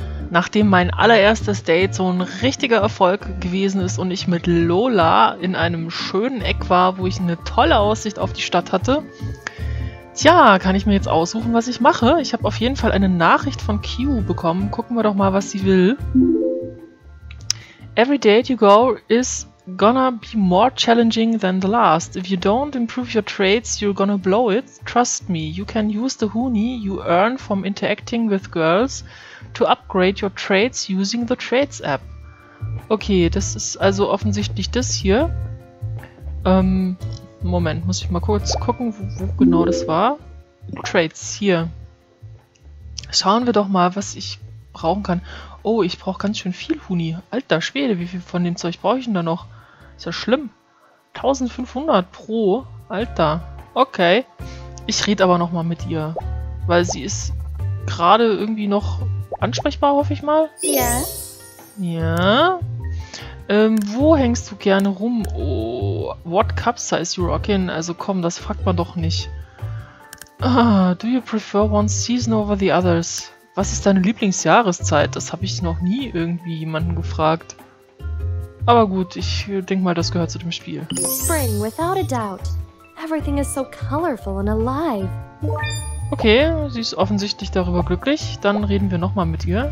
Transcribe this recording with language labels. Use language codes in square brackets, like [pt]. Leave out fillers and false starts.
[de] Nachdem mein allererstes Date so ein richtiger Erfolg gewesen ist und ich mit Lola in einem schönen Eck war, wo ich eine tolle Aussicht auf die Stadt hatte, tja, kann ich mir jetzt aussuchen, was ich mache? Ich habe auf jeden Fall eine Nachricht von Q bekommen. Gucken wir doch mal, was sie will. [en] Every date you go is gonna be more challenging than the last. If you don't improve your traits, you're gonna blow it. Trust me, you can use the Huni you earn from interacting with girls to upgrade your traits using the Traits app. [de] Okay, das ist also offensichtlich das hier. Moment, muss ich mal kurz gucken, wo genau das war. Traits, hier. Schauen wir doch mal, was ich brauchen kann. Oh, ich brauche ganz schön viel Huni. Alter Schwede, wie viel von dem Zeug brauche ich denn da noch? Ist ja schlimm. 1500 pro. Alter. Okay. Ich rede aber nochmal mit ihr. Weil sie ist gerade irgendwie noch ansprechbar, hoffe ich mal. Ja. Ja. Wo hängst du gerne rum? [en] Oh, what cup size you rockin? [de] Also komm, das fragt man doch nicht. [en] Do you prefer one season over the others? [de] Was ist deine Lieblingsjahreszeit? Das habe ich noch nie irgendwie jemanden gefragt. Aber gut, ich denke mal, das gehört zu dem Spiel. [en] Spring, without a doubt. Everything is so colorful and alive. [de] Okay, sie ist offensichtlich darüber glücklich. Dann reden wir nochmal mit ihr.